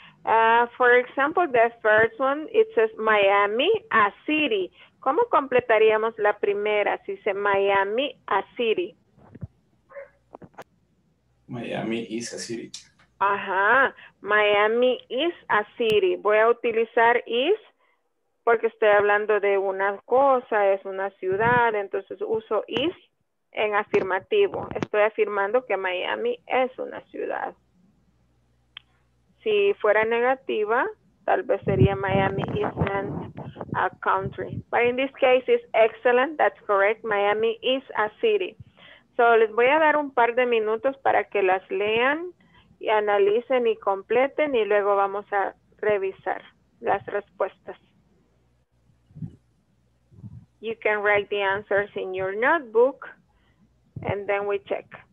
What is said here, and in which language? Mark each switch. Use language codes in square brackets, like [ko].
[en] For example, the first one, it says Miami, a city. [es] ¿Cómo completaríamos la primera si dice [en] Miami, a city? Miami is a city. Ajá, Miami is a city. [es] Voy a utilizar is porque estoy hablando de una cosa, es una ciudad, entonces uso is en afirmativo. Estoy afirmando que Miami es una ciudad. Si fuera negativa, tal vez sería [en] Miami isn't a country. But in this case, it's excellent. That's correct. Miami is a city. [es] So, les voy a dar un par de minutos para que las lean y analicen y completen y luego vamos a revisar las respuestas. [en] You can write the answers in your notebook and then we check.